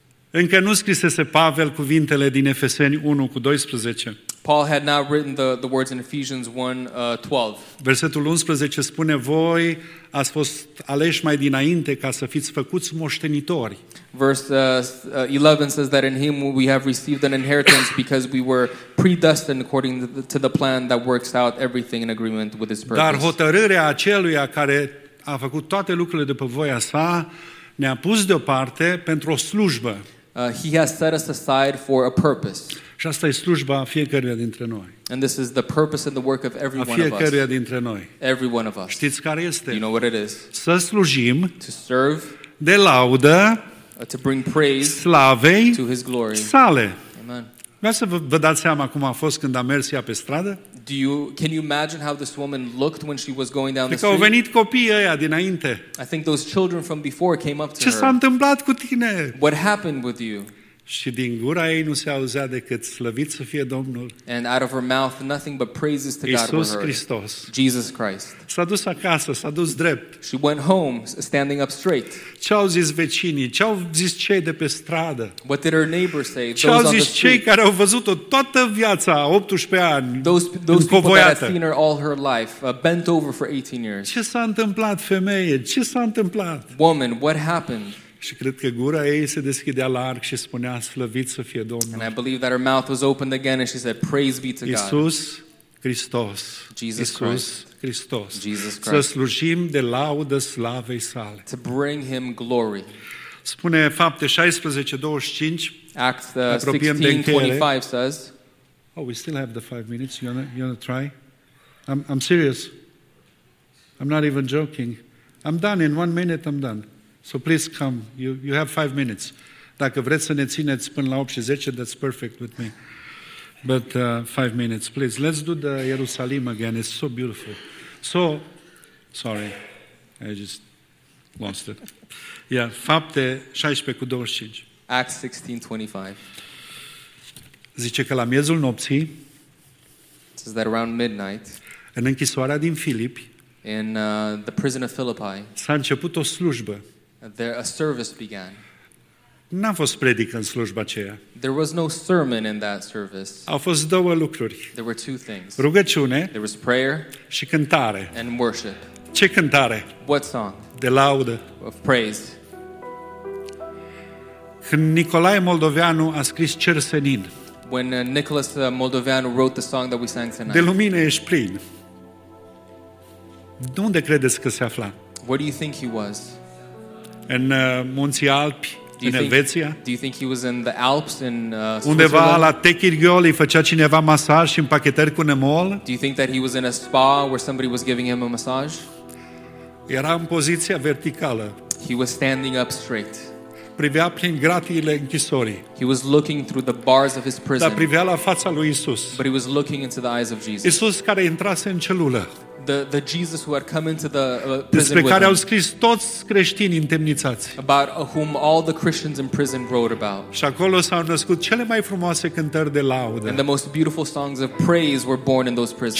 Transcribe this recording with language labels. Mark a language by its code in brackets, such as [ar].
[ro] Încă nu scrisese Pavel cuvintele din Efeseni 1 cu 12. [en] Paul had not written the words in Ephesians 1:12. [ro] Versetul 11 spune, voi ați fost aleși mai dinainte ca să fiți făcuți moștenitori. [en] Verse 11 says that in him we have received an inheritance because we were predestined according to the plan that works out everything in agreement with his purpose. [ro] Dar hotărârea aceluia care a făcut toate lucrurile după voia sa ne-a pus deoparte pentru o slujbă. [en] He has set us aside for a purpose. [ro] Și asta e slujba fiecăruia dintre noi. [en] And this is the purpose and the work of every one of us. [ro] Fiecăruia dintre noi. [en] Every one of us. [ro] Știți care este? [en] You know what it is. [ro] Să slujim. [en] To serve. [ro] De laudă. [en] To bring praise. [ro] Slavei. [en] To his glory. [ro] Sale. [en] Amen. [ro] Vreau să vă dați seama cum a fost când a mers ea pe stradă? [en] Can you imagine how this woman looked when she was going down the street? [ro] Au venit copiii ăia dinainte. [en] I think those children from before came up to her. [ro] Ce s-a întâmplat cu tine? [en] What happened with you? [ro] Și din gura ei nu se auzea decât slăvit să fie Domnul. [en] And out of her mouth nothing but praises to God. [ro] Iisus Hristos. [en] Jesus Christ. [ro] S-a dus acasă, s-a dus drept. [en] She went home standing up straight. [ro] Ce au zis vecinii? Ce au zis cei de pe stradă? [en] What did her neighbors say? [ro] Ce au zis cei care au văzut-o toată viața, 18 ani? [en] Those people that had seen her all her life, bent over for 18 years. [ro] Ce s-a întâmplat, femeie? Ce s-a întâmplat? [en] Woman, what happened? [ro] Și cred că gura ei se deschidea larg și spunea slăvit să fie Domnul. [en] And I believe that her mouth was opened again and she said praise be to God. [ro] Iisus Hristos. [en] Jesus Christ. Jesus [ro] Christ. Să slujim de laudă slavei sale. [en] To bring him glory. [ro] Spune Fapte 16:25. [en] Acts 16:25 says. Oh, we still have the 5 minutes. You wanna try? I'm serious. I'm not even joking. I'm done in 1 minute. I'm done. So please come. You have 5 minutes. [ro] Dacă vreți să ne țineți până la 8:10, [en] that's perfect with me. But 5 minutes, please. Let's do the Jerusalem again. It's so beautiful. So, sorry. I just lost it. Yeah, Fapte 16:25. Acts 16:25. [ro] Zice că la miezul nopții, [en] it says that around midnight, [ro] în închisoarea din Filip, [en] in the prison of Philippi, [ro] s-a început o slujbă. [en] There a service began. [ro] N-a fost predică în slujba aceea. [en] There was no sermon in that service. [ro] Au fost două lucruri. [en] There were two things. [ro] Rugăciune. [en] There was prayer. [ro] Și cântare. [en] And worship. [ro] Ce cântare? [en] What song? [ro] De laudă. [en] Of praise. [ro] Când Nicolae Moldoveanu a scris Cer senin. [en] When Nicholas Moldoveanu wrote the song that we sang tonight. [ro] De lumină ești plin. De unde credeți că se afla? [en] Where do you think he was? [ro] În munții Alpi, în Elveția. [en] Do you think he was in the Alps in [ro] undeva la Techirgioli făcea cineva masaj și împachetări cu nemol? [en] Do you think that he was in a spa where somebody was giving him a massage? [ro] Era în poziția verticală. [en] He was standing up straight. [ro] Privea prin gratiile închisorii. [en] He was looking through the bars of his prison. [ro] Dar privea la fața lui Isus. [en] But he was looking into the eyes of Jesus. [ro] Isus care intrase în celulă. [en] The Jesus who had come into the [ro] despre care au scris toți creștinii întemnițați. [en] About whom all the Christians in prison wrote about. [ro] Și acolo s-au născut cele mai frumoase cântări de laudă. [en] And the most beautiful songs of praise were born in those prisons.